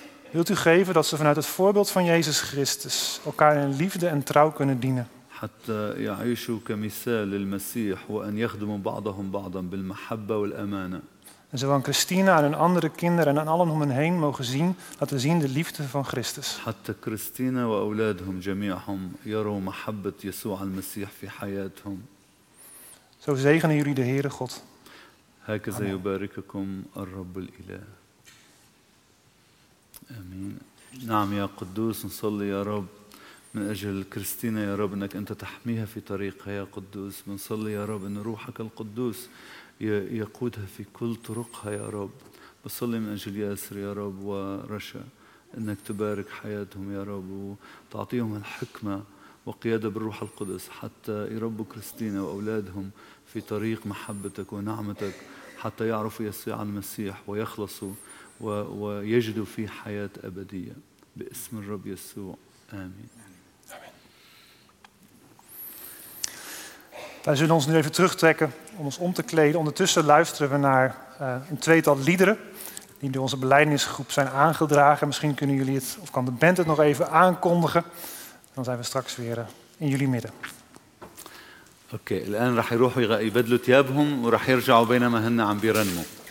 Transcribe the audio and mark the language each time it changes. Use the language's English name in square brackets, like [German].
[Dutch] Wilt u geven dat ze vanuit het voorbeeld van Jezus Christus elkaar in liefde en trouw kunnen dienen. [Arabic] حتى يعيشوا كمثال للمسيح وأن يخدموا بعضهم بعضا بالمحبة والأمانة. [Dutch] Zowel Christina en hun andere kinderen en aan allen om hen heen mogen zien, laten zien de liefde van Christus. [Arabic] حتى كريستينا وأولادهم جميعهم يروا محبة يسوع المسيح في حياتهم. [Dutch] Zo zegenen jullie de Heere God. [Arabic] هكذا يبارككم الرب الإله. آمين. نعم يا قدوس نصلي يا رب. من أجل كريستينا يا رب أنك أنت تحميها في طريقها يا قدوس. بنصلي يا رب أن روحك القدوس يقودها في كل طرقها يا رب. بصلي من أجل ياسر يا رب ورشا أنك تبارك حياتهم يا رب وتعطيهم الحكمة وقيادة بالروح القدس حتى يربوا كريستينا وأولادهم في طريق محبتك ونعمتك، حتى يعرفوا يسوع المسيح ويخلصوا ويجدوا فيه حياة أبدية باسم الرب يسوع. آمين. [Dutch] Wij zullen ons nu even terugtrekken om ons om te kleden. Ondertussen luisteren we naar een tweetal liederen die door onze belijdenisgroep zijn aangedragen. Misschien kunnen jullie het, of kan de band het nog even aankondigen. Dan zijn we straks weer in jullie midden. [Arabic] اوكي الان راح يروحوا يبدلوا ثيابهم وراح يرجعوا بينما هن عم بيرنموا.